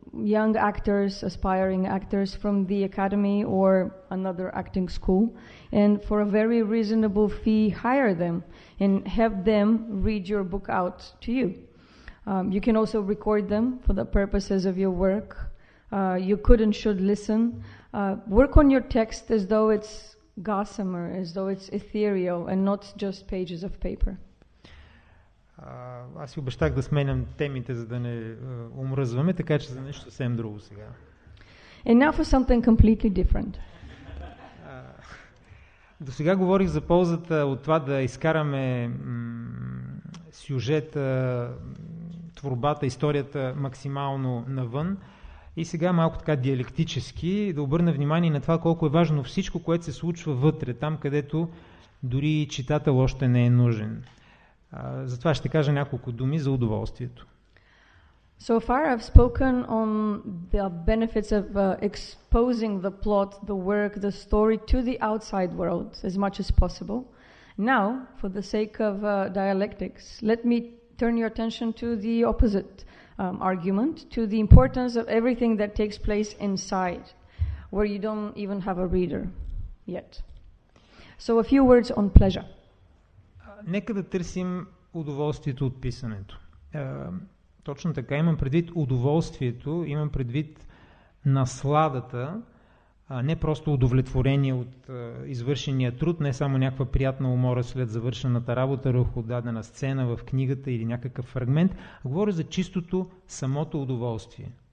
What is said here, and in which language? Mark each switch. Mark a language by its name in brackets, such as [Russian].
[English] young actors, aspiring actors from the academy or another acting school, and for a very reasonable fee, hire them and have them read your book out to you. You can also record them for the purposes of your work. You could and should listen. Work on your text as though it's gossamer, as though it's ethereal and not just pages of paper. [Bulgarian] Аз си обещах да сменям темите, за да не умръзваме, така че за нещо съвсем друго сега. [English] And now for something completely different. [Bulgarian] До сега говорих за ползата от това да изкараме сюжета, творбата, историята максимално навън. И сега малко така диалектически да обърна внимание на това колко е важно всичко, което се случва вътре, там където дори читател още не е нужен. Затова ще кажа няколко думи за удоволствието. [English] So far I've spoken on the benefits of exposing the plot, the work, the story to the outside world as much as possible. Now, for the sake of dialectics, let me turn your attention to the opposite argument, to the importance of everything that takes place inside, where you don't even have a reader yet. So a few words on pleasure. [Bulgarian] Нека да търсим удоволствието от писането. Точно така, имам предвид удоволствието, имам предвид насладата, не просто удовлетворение от извършения труд, не само някаква приятна умора след завършената работа, върху дадена сцена в книгата или някакъв фрагмент, а говоря за чистото самото удоволствие.